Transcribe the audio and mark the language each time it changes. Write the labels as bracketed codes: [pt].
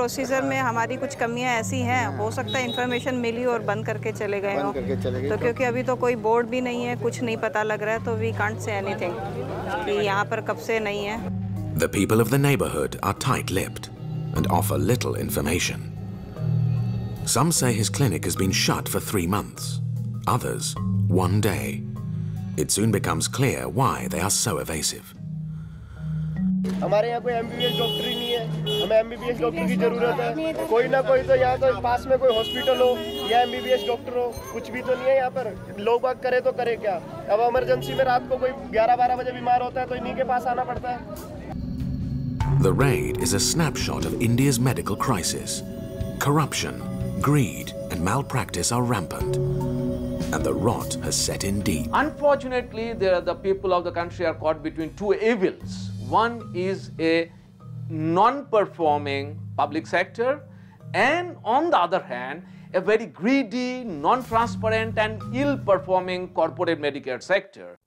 [hi] Procedure में हमारी कुछ कमियाँ ऐसी हैं हो सकता है इन्फॉर्मेशन मिली और बंद करके चले गए हों तो क्योंकि अभी तो कोई बोर्ड भी नहीं है कुछ नहीं पता लग रहा है तो [en] we can't say anything [hi] कि यहाँ पर कब से नहीं है [en] The people of the neighbourhood are tight-lipped and offer little information. Some say his clinic has been shut for 3 months, others, 1 day. It soon becomes clear why they are so evasive. [hi] हमारे यहाँ कोई MBBS doctor ही नहीं है, हमें MBBS doctor की जरूरत है। कोई ना कोई तो यहाँ तो पास में कोई हॉस्पिटल हो, या MBBS डॉक्टर हो, कुछ भी तो नहीं है यहाँ पर। लोग बात करे तो करे क्या? अब इमरजेंसी में रात को कोई 11-12 बजे बीमार होता है तो इन्हीं के पास आना पड़ता है। [en] The raid is a snapshot of India's medical crisis. Corruption, greed, and malpractice are rampant. And the rot has set in deep. Unfortunately, there are the people of the country are caught between two evils. One is a non-performing public sector, and on the other hand, a very greedy, non-transparent, and ill-performing corporate Medicare sector.